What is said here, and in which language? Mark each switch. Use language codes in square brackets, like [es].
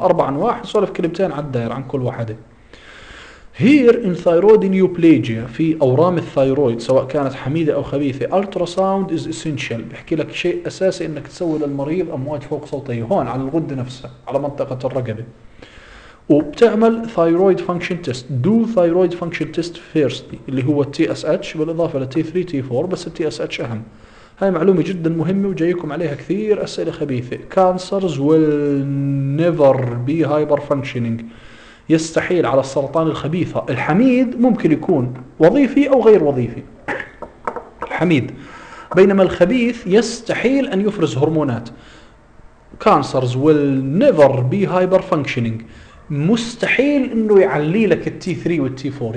[ar] أربع أنواع, سولف كلمتين على الدائرة عن كل واحدة. [en] Here in thyroid neoplasia, [ar] في أورام الثايرويد سواء كانت حميدة أو خبيثة, [en] ultrasound is essential, [ar] بحكي لك شيء أساسي أنك تسوي للمريض أمواج فوق صوتي هون على الغدة نفسها على منطقة الرقبة, وبتعمل thyroid function test. [en] Do thyroid function test first, [ar] اللي هو TSH بالإضافة ل T3 T4, بس TSH أهم. هاي معلومة جدا مهمة وجايكم عليها كثير أسئلة خبيثة. [en] Cancers will never be hyper functioning, [ar] يستحيل على السرطان الخبيثة. الحميد ممكن يكون وظيفي أو غير وظيفي الحميد, بينما الخبيث يستحيل أن يفرز هرمونات. [en] Cancers will never be hyper functioning, [ar] مستحيل انه يعلي لك التي 3 والتي 4.